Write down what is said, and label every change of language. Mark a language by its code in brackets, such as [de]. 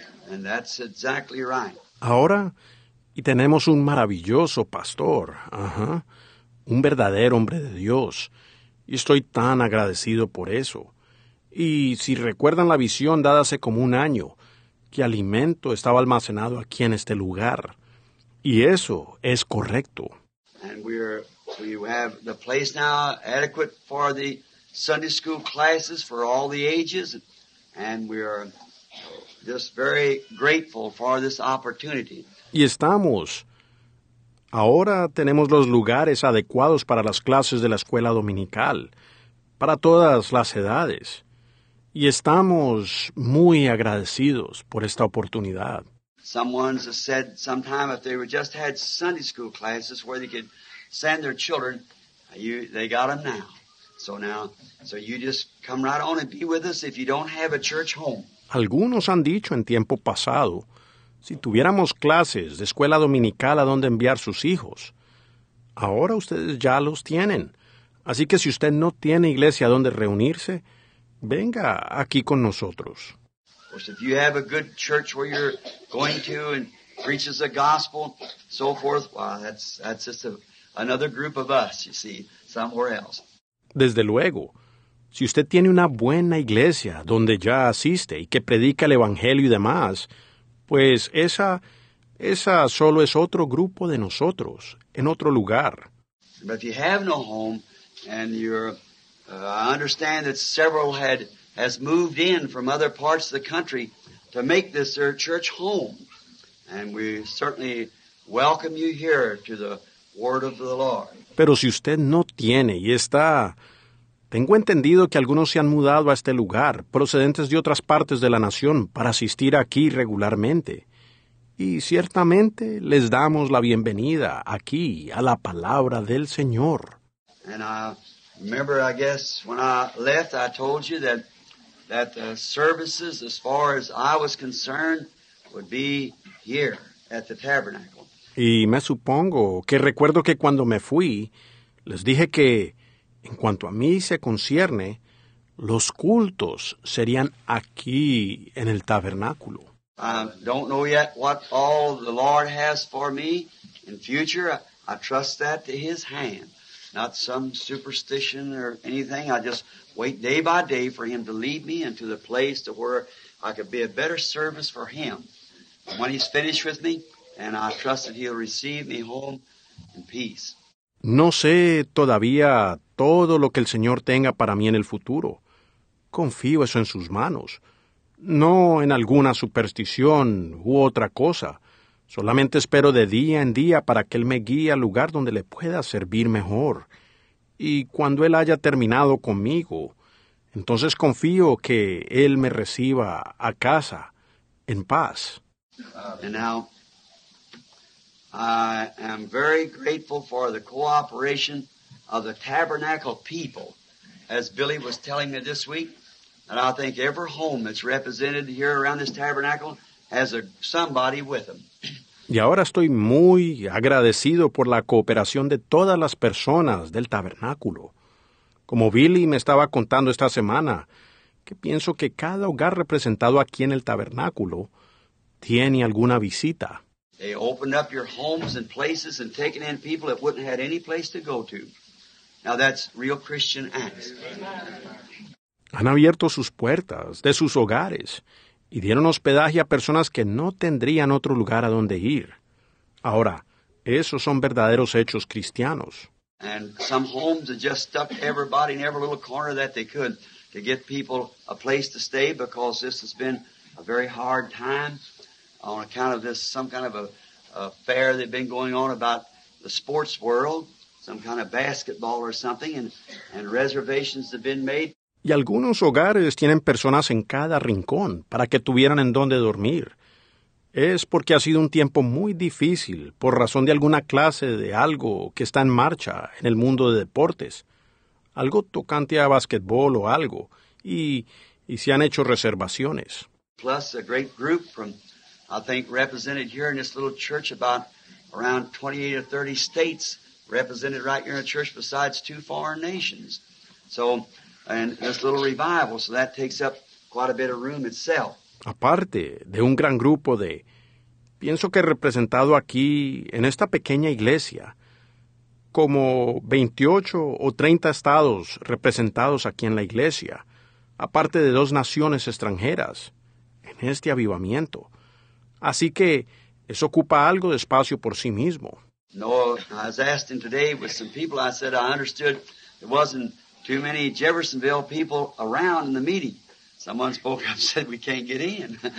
[en] And that's exactly right. [es] Ahora, y tenemos un maravilloso pastor, un verdadero hombre de Dios. Y estoy tan agradecido por eso. Y si recuerdan la visión dada hace como un año, que alimento estaba almacenado aquí en este lugar. Y eso es correcto. [en] And we have the place now adequate for the Sunday school classes for all the ages. And we are just very grateful for this opportunity. [es] Y estamos. Ahora tenemos los lugares adecuados para las clases de la escuela dominical, para todas las edades. Y estamos muy agradecidos por esta oportunidad. [en] Someone said sometime if they just had Sunday school classes where they could send their children, they got them now. So you just come right on and be with us if you don't have a church home. [es] Algunos han dicho en tiempo pasado, si tuviéramos clases de escuela dominical a donde enviar sus hijos, ahora ustedes ya los tienen. Así que si usted no tiene iglesia a donde reunirse, venga aquí con nosotros. [en] Of course, if you have a good church where you're going to and preaches the gospel, so forth, well, that's just another group of us, you see, somewhere else. [es] Desde luego, si usted tiene una buena iglesia donde ya asiste y que predica el evangelio y demás, pues esa solo es otro grupo de nosotros, en otro lugar. [en] But if you have no home and you're I understand that several has moved in from other parts of the country to make this their church home. And we certainly welcome you here to the word of the Lord. [es] Pero si usted no tiene y está, tengo entendido que algunos se han mudado a este lugar, procedentes de otras partes de la nación, para asistir aquí regularmente. Y ciertamente les damos la bienvenida aquí a la palabra del Señor. [en] Remember, I guess, when I left, I told you that the services, as far as I was concerned, would be here at the tabernacle. [es] Y me supongo que recuerdo que cuando me fui, les dije que, en cuanto a mí se concierne, los cultos serían aquí en el tabernáculo. [en] I don't know yet what all the Lord has for me in future. I trust that to His hand. Not some superstition or anything. I just wait day by day for Him to lead me into the place to where I could be a better service for Him. And when He's finished with me, and I trust that He'll receive me home in peace. [es] No sé todavía todo lo que el Señor tenga para mí en el futuro. Confío eso en sus manos. No en alguna superstición u otra cosa. Solamente espero de día en día para que Él me guíe al lugar donde le pueda servir mejor. Y cuando Él haya terminado conmigo, entonces confío que Él me reciba a casa en paz. [en] And now, I am very grateful for the cooperation of the Tabernacle people. As Billy was telling me this week, that I think every home that's represented here around this Tabernacle has somebody with them. [es] Y ahora estoy muy agradecido por la cooperación de todas las personas del Tabernáculo. Como Billy me estaba contando esta semana, que pienso que cada hogar representado aquí en el Tabernáculo tiene alguna visita. [en] They opened up your homes and places and taken in people that wouldn't have had any place to go to. Now that's real Christian acts. [es] Han abierto sus puertas de sus hogares y dieron hospedaje a personas que no tendrían otro lugar a donde ir. Ahora, esos son verdaderos hechos cristianos. [en] And some homes have just stuck everybody in every little corner that they could to get people a place to stay because this has been a very hard time on account of this, some kind of a fair they've been going on about the sports world, some kind of basketball or something, and reservations have been made. [es] Y algunos hogares tienen personas en cada rincón para que tuvieran en dónde dormir. Es porque ha sido un tiempo muy difícil por razón de alguna clase de algo que está en marcha en el mundo de deportes. Algo tocante a basquetbol o algo. Y se han hecho reservaciones. [en] Plus a great group from, I think, represented here in this little church about around 28 or 30 states represented right here in a church besides two foreign nations. So, and this little revival, so that takes up quite a bit of room itself. [es] Aparte de un gran grupo de, pienso que representado aquí en esta pequeña iglesia, como 28 o 30 estados representados aquí en la iglesia, aparte de dos naciones extranjeras, en este avivamiento. Así que eso ocupa algo de espacio por sí mismo. [en] No, I was asking today with some people, I said I understood it wasn't too many Jeffersonville people around in the meeting. Someone spoke up and said, we can't get in.